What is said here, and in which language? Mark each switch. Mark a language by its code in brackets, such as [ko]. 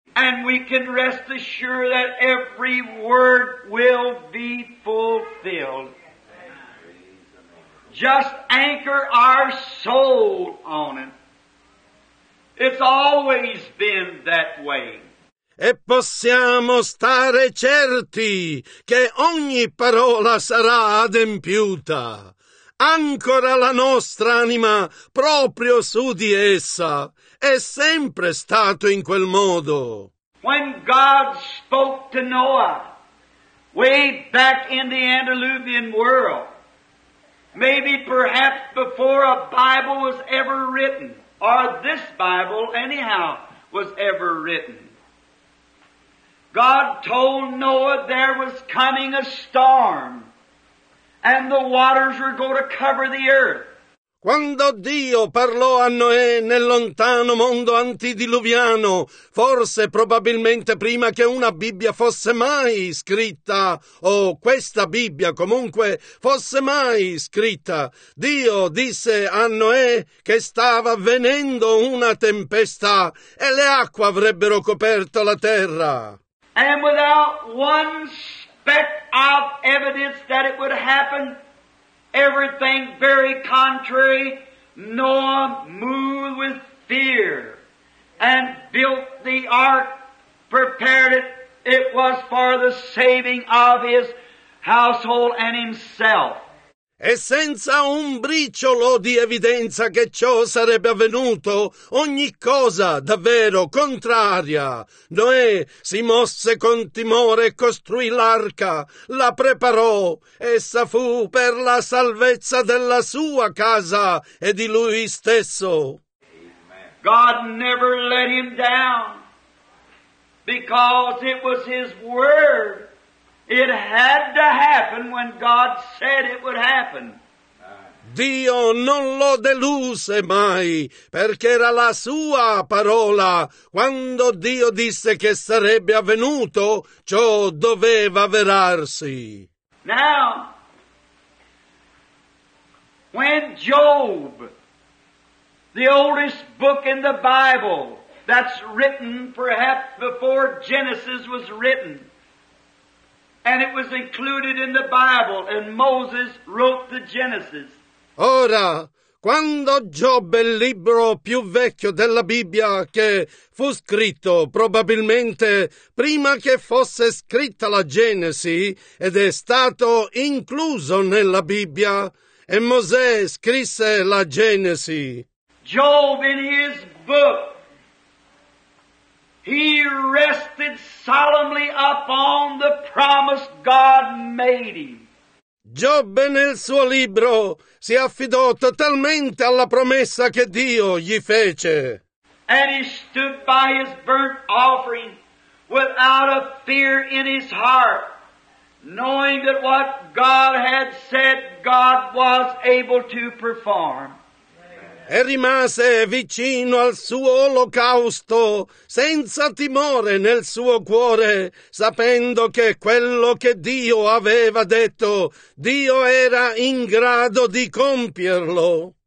[en] And we can rest assured that every word will be fulfilled. Just anchor our soul on it. It's always been that way. [it] E possiamo stare certi che ogni parola sarà adempiuta. Ancora la nostra anima proprio su di essa. È sempre stato in quel modo. [en] When God spoke to Noah, way back in the Antediluvian world, maybe perhaps before a Bible was ever written, or this Bible anyhow was ever written, God told Noah there was coming a storm and the waters were going to cover the earth. [it] Quando Dio parlò a Noè nel lontano mondo antidiluviano, forse probabilmente prima che una Bibbia fosse mai scritta, o questa Bibbia comunque fosse mai scritta, Dio disse a Noè che stava avvenendo una tempesta e le acque avrebbero coperto la terra. [en] And without one speck of evidence that it would happen, everything very contrary, Noah moved with fear and built the ark, prepared it. It was for the saving of his household and himself. [it] E senza un briciolo di evidenza che ciò sarebbe avvenuto, ogni cosa davvero contraria. Noè si mosse con timore e costruì l'arca, la preparò, essa fu per la salvezza della sua casa e di lui stesso. [en] God never let him down, because it was his word. It had to happen when God said it would happen. [it] Dio non lo deluse mai, perché era la sua parola. Quando Dio disse che sarebbe avvenuto, ciò doveva avverarsi. [en] Now, when Job, the oldest book in the Bible that's written perhaps before Genesis was written, and it was included in the Bible, and Moses wrote the Genesis. [it] Ora, quando Giobbe, il libro più vecchio della Bibbia, che fu scritto probabilmente prima che fosse scritta la Genesi, ed è stato incluso nella Bibbia, e Mosè scrisse la Genesi. [en] Job, in his book, he rested solemnly upon the promise God made him. [it] Giobbe nel suo libro si affidò totalmente alla promessa che Dio gli fece. [en] And he stood by his burnt offering without a fear in his heart, knowing that what God had said God was able to perform. [it] E rimase vicino al suo olocausto, senza timore nel suo cuore, sapendo che quello che Dio aveva detto, Dio era in grado di compierlo.